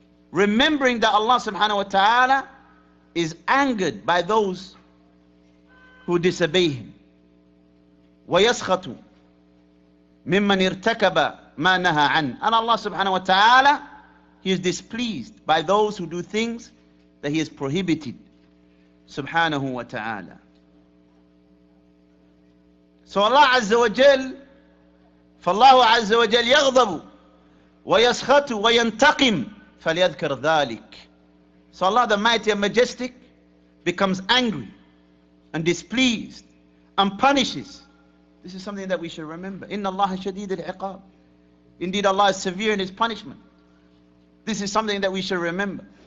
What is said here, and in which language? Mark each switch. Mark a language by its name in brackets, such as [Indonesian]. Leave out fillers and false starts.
[English] Remembering that Allah subhanahu wa ta'ala is angered by those who disobey him. [Arabic] وَيَسْخَطُ مِمَّنْ ارْتَكَبَ مَا نَهَا عَنْ. [English] And Allah subhanahu wa ta'ala, he is displeased by those who do things that he has prohibited. [Arabic] Subhanahu wa ta'ala. So Allah Azza wa Jal, فَاللَّهُ عَزَّ وَجَلْ يَغْضَبُ وَيَسْخَطُ وَيَنْتَقِمُ فَلْيَذْكَرْ ذَٰلِكَ. [English] So Allah the Mighty and Majestic becomes angry and displeased and punishes. This is something that we should remember. [Arabic] إِنَّ اللَّهَ شَدِيدِ الْعِقَابِ. [English] Indeed Allah is severe in His punishment. This is something that we should remember.